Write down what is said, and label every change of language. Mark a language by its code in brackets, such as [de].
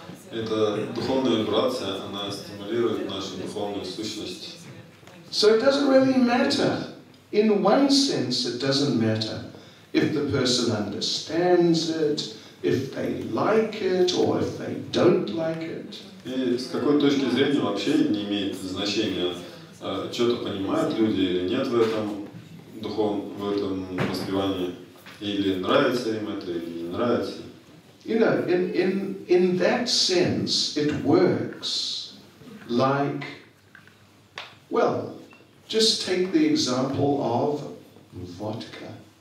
[ru] Это духовная вибрация, она стимулирует нашу духовную сущность. [en] So it doesn't really matter. In one sense, it doesn't matter. If the person understands it, if they like it, or if they don't like it. [ru] И с какой точки зрения вообще не имеет значения, что-то понимают люди или нет в этом духовном, в этом воспевании, или нравится им это, или не нравится. [en] You know, in that sense, it works like, well, just take the example of vodka.